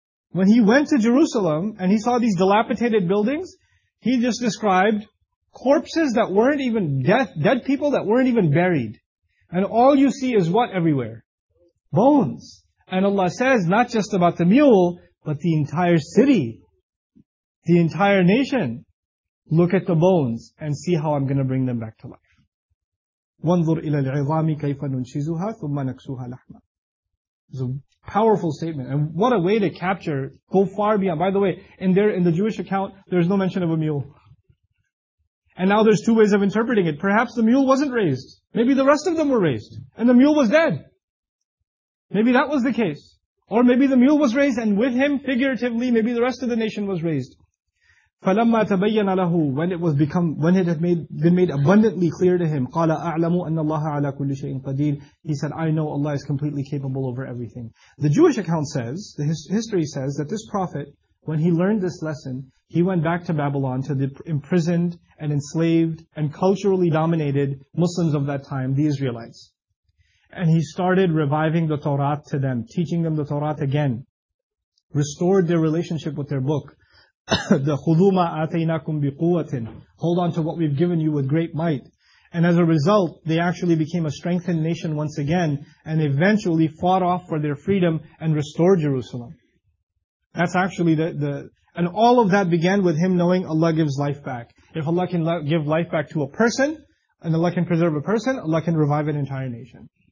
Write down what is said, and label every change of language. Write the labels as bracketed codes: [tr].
[en] When he went to Jerusalem, and he saw these dilapidated buildings, he just described corpses that weren't even dead people that weren't even buried. And all you see is what everywhere? Bones. And Allah says, not just about the mule, but the entire city, the entire nation, look at the bones and see how I'm going to bring them back to life. [ar] وَانْظُرْ إِلَى الْعِظَامِ كَيْفَ نُنْشِزُهَا ثُمَّ نَكْسُوهَا لَحْمًا. [en] It's a powerful statement. And what a way to capture, go far beyond. By the way, in the Jewish account, there's no mention of a mule. And now there's two ways of interpreting it. Perhaps the mule wasn't raised. Maybe the rest of them were raised. And the mule was dead. Maybe that was the case. Or maybe the mule was raised and with him, figuratively, maybe the rest of the nation was raised. [ar] فَلَمَّا تَبَيَّنَ لَهُ [en] when it had been made abundantly clear to him, [ar] قَالَ أَعْلَمُ أَنَّ اللَّهَ عَلَى كُلِّ شَيْءٍ قَدِيرٍ. [en] He said, I know Allah is completely capable over everything. The Jewish account says, the history says, that this prophet, when he learned this lesson, he went back to Babylon to the imprisoned and enslaved and culturally dominated Muslims of that time, the Israelites. And he started reviving the Torah to them, teaching them the Torah again, restored their relationship with their book. [ar] The خُذُوْمَا أَتَيْنَاكُمْ بِقُوَّةٍ. [en] Hold on to what we've given you with great might. And as a result, they actually became a strengthened nation once again, and eventually fought off for their freedom and restored Jerusalem. That's actually and all of that began with him knowing Allah gives life back. If Allah can give life back to a person, and Allah can preserve a person, Allah can revive an entire nation.